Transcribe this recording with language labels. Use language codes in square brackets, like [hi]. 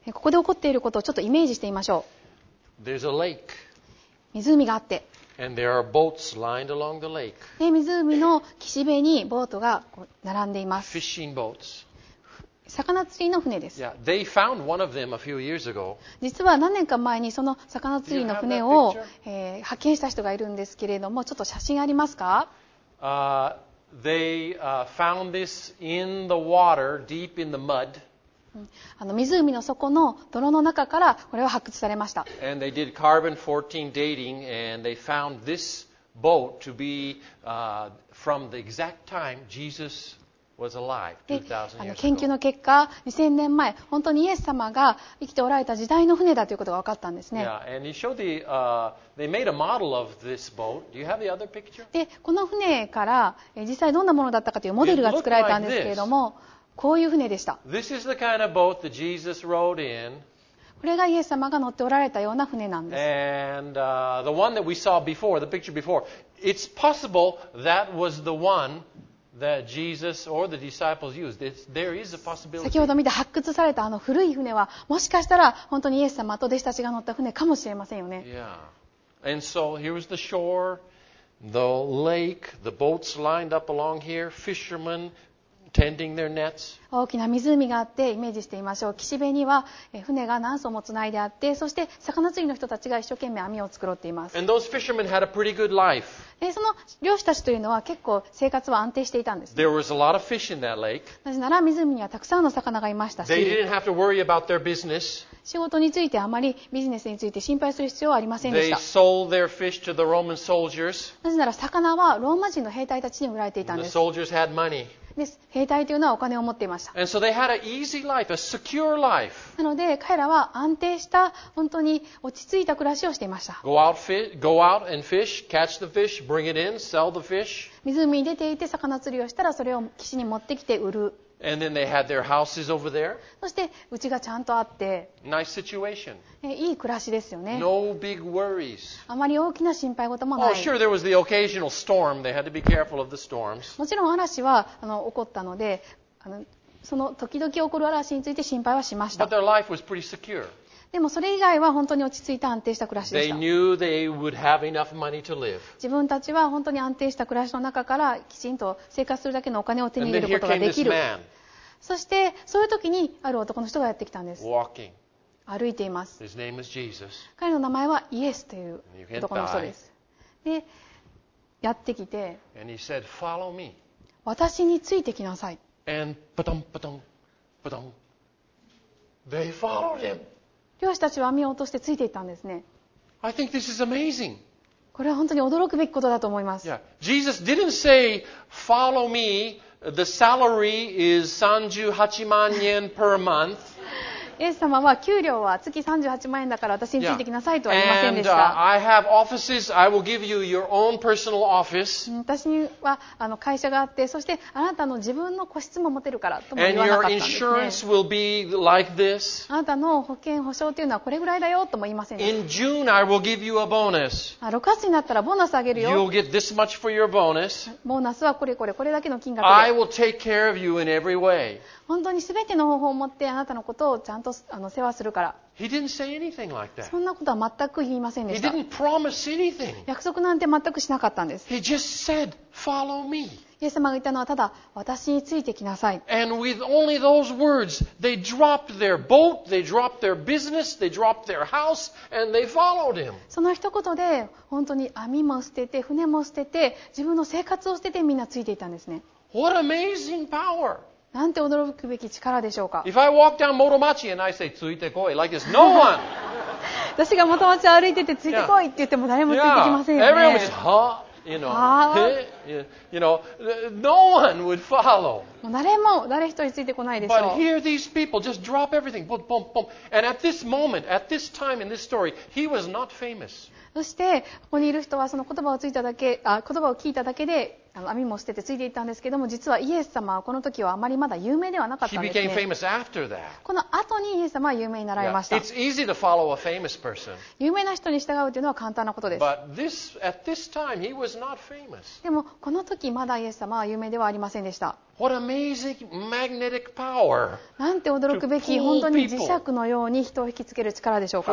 [ja] ここで起こっていることをちょっとイメージしてみましょう。 [en] There's a lake. [ja] 湖があって。 [en] And there are boats lined along the lake. [ja] で、湖の岸辺にボートが並んでいます。 [en] Fishing boats. [ja] 魚釣りの船です。 [en] Yeah, they found one of them a few years ago. [ja] 実は何年か前にその魚釣りの船を発見した人がいるんですけれども、ちょっと写真ありますか？ [en] They found this in the water, deep in the mud. [ja] 湖の底の泥の中からこれは発掘されました。 [en] And they did carbon 14 dating, and they found this boat to be from the exact time Jesus. Was alive 2000 years ago. [ja] 研究の結果、2000年前、本当にイエス様が生きておられた時代の船だということが分かったんですね。 [en] Yeah, and you show the, they made a model of this boat. Do you have the other picture? [ja] で、この船から実際どんなものだったかというモデルが作られたんですけれども、こういう船でした。 [en] This is the kind of boat that Jesus rode in. [ja] これがイエス様が乗っておられたような船なんです。 [en] And the one that we saw before, the picture before, it's possible that was the one. That Jesus or the disciples used. There is a possibility. [ja] 先ほど見た発掘されたあの古い船はもしかしたら本当にイエス様と弟子たちが乗った船かもしれませんよね。 [en] Yeah. And so here was the shore, the lake, the boats lined up along here, fishermen tending their nets. [ja] 大きな湖があってイメージしてみましょう。岸辺には船が何艘もつないであって、そして魚釣りの人たちが一生懸命網を繕っています。 [en] And those fishermen had a pretty good life. [ja] その漁師たちというのは結構生活は安定していたんです、ね。 [en] There was a lot of fish in that lake. [ja] なぜなら湖にはたくさんの魚がいましたし、 [en] They didn't have to worry about their business. [ja] 仕事についてあまりビジネスについて心配する必要はありませんでした。 [en] They sold their fish to the Roman soldiers. [ja] なぜなら魚はローマ人の兵隊たちに売られていたんです。 [en] The soldiers had money. [ja] で、兵隊というのはお金を持っていました。 [en] And so they had an easy life, a secure life. [ja] なので彼らは安定した本当に落ち着いた暮らしをしていました。 [en] Go out and fish, catch the fish. Bring it in, sell the fish. [ja] 湖に出ていて魚釣りをしたらそれを岸に持ってきて売る。 [en] And then they had their houses over there. [ja] そして家がちゃんとあって。 [en] Nice situation. [ja] いい暮らしですよね。 [en] No big worries. [ja] あまり大きな心配事もない。 [en] Oh, sure, there was the occasional storm. They had to be careful of the storms. [ja] もちろん嵐は起こったので、その時々起こる嵐について心配はしました。 [en] But their life was pretty secure. [ja] でもそれ以外は本当に落ち着いた安定した暮らしでした。 [en] They knew they would have enough money to live. [ja] 自分たちは本当に安定した暮らしの中からきちんと生活するだけのお金を手に入れることができる。 [en] And then here came this man. [ja] そしてそういう時にある男の人がやってきたんです。 [en] Walking. [ja] 歩いています。 [en] His name is Jesus. [ja] 彼の名前はイエスという男の人です。で、やってきて、 [en] And he said, "Follow me." [ja] 私についてきなさい。 [en] And ba dum ba dum ba dum. They followed him. [ja] 漁師たちは網を落としてついていったんですね。 [en] I think this is amazing. [ja] これは本当に驚くべきことだと思います。 [en] Yeah. Jesus didn't say, "Follow me. The salary is 38万円 per month." [ja] イエス様は給料は月38万円だから私についてきなさいとは言いませんでした。 [en] And, I have offices. I will give you your own personal office. [ja] 私にはあの会社があって、そしてあなたの自分の個室も持てるからとも言わなかったんですね。 [en] And your insurance will be like this. [ja] あなたの保険保証というのはこれぐらいだよとも言いませんでした。 [en] In June, I will give you a bonus. [ja] 6月になったらボーナスあげるよ。 [en] You'll get this much for your bonus. [ja] ボーナスはこれこれこれだけの金額で。 [en] I will take care of you in every way. [ja] 本当に全ての方法を持ってあなたのことをちゃんとあの世話するから。 [en] He didn't say anything like that. [ja] そんなことは全く言いませんでした。 [en] He didn't promise anything. [ja] 約束なんて全くしなかったんです。 [en] He just said, "Follow me." [ja] イエス様が言ったのはただ私についてきなさい。 [en] And with only those words, they dropped their boat, they dropped their business, they dropped their house, and they followed him. [ja] その一言で本当に網も捨てて船も捨てて自分の生活を捨ててみんなついていたんですね。 [en] What amazing power! [ja] なんて驚くべき力でしょうか。 [en] If I walk down Motomachi and I say, [ja] ついてこい, [en] like this, no one! [ja] 私が Motomachi を歩いててついてこいって言っても誰もついてきませんよね。 [en] Yeah. Everyone would just, huh? You know, you know, no one would follow. [ja] もう誰一人ついてこないでしょう。 [en] But here these people just drop everything, boom, boom, boom. And at this moment, at this time in this story, he was not famous. [ja] そしてここにいる人はその言葉を聞いただけで網も捨ててついていったんですけども、実はイエス様はこの時はあまりまだ有名ではなかったんですね。 [en] He became famous after that. [ja] この後にイエス様は有名になられました。 [en] Yeah. It's easy to follow a famous person. [ja] 有名な人に従うというのは簡単なことです。 [en] But this, at this time, he was not famous. [ja] でもこの時まだイエス様は有名ではありませんでした。 [en] What amazing magnetic power [ja] なんて驚くべき本当に磁石のように人を引きつける力でしょうか。